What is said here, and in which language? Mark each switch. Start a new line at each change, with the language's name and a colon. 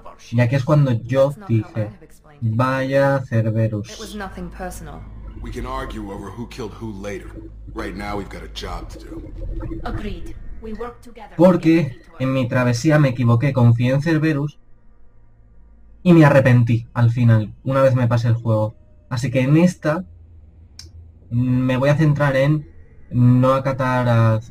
Spanish: Y aquí es cuando yo dije, vaya Cerberus.
English: It was nothing personal. We can argue over who killed who later. Right now we've got a job to do. Agreed. We work together.
Spanish: Porque en mi travesía me equivoqué, confié en Cerberus y me arrepentí al final, una vez me pasé el juego. Así que en esta me voy a centrar en no acatar a...